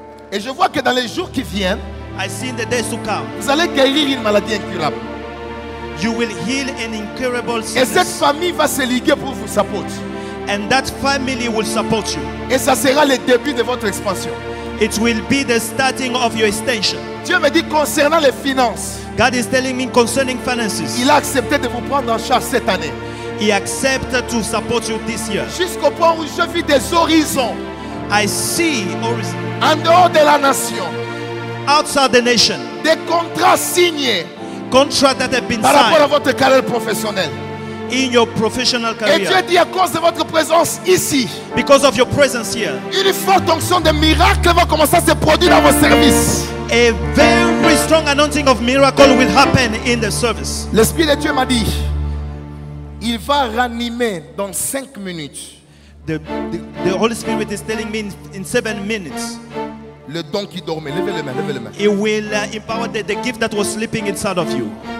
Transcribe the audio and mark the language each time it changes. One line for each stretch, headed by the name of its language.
French: Et je vois que dans les jours qui viennent,
English: I see in the days to come.
French: Vous allez guérir une maladie incurable.
English: You will heal an incurable sickness.
French: Et cette famille va se liguer pour vous supporter.
English: And that family will support you.
French: Et ça sera le début de votre expansion.
English: It will be the starting of your extension.
French: Dieu me dit concernant les finances.
English: God is telling me concerning finances.
French: Il a accepté de vous prendre en charge cette année.
English: He accepted to support you this year.
French: Jusqu'au point où je vis des horizons.
English: I see horizons.
French: En dehors de la nation.
English: Outside the nation,
French: des contrats signés,
English: contrats that have been
French: signed, par rapport à votre carrière professionnelle,
English: in your professional career.
French: Et Dieu dit à cause de votre présence ici,
English: because of your presence here,
French: une forte onction de miracle va commencer à se produire dans vos services.
English: A very strong anointing of miracle will happen in the service.
French: L'Esprit de Dieu m'a dit, il va ranimer dans 5 minutes.
English: The Holy Spirit is telling me in 7 minutes.
French: Le don qui dormait, levez les mains, levez les mains.
English: It will empower the gift that was sleeping inside of you.